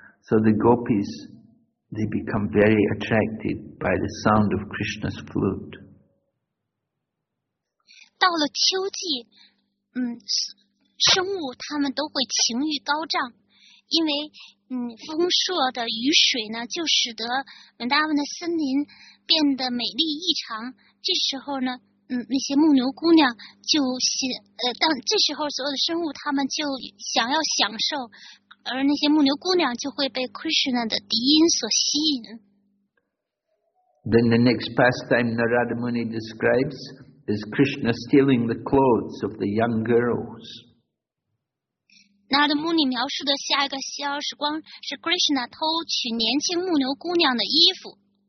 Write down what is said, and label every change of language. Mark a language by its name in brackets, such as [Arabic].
[English] So the gopis, they become very attracted by the sound of Krishna's flute. [Chinese] 到了秋季，生物他们都会情欲高涨，因为丰硕的雨水呢，就使得文达文的森林变得美丽异常。这时候呢，那些牧牛姑娘就但这时候所有的生物他们就想要享受，而那些牧牛姑娘就会被 Krishna 的笛音所吸引。 [English] Then the next pastime Narada Muni describes is Krishna stealing the clothes of the young girls. [Chinese] Narada Muni 描述的下一个逍遥时光是 Krishna 偷取年轻牧牛姑娘的衣服。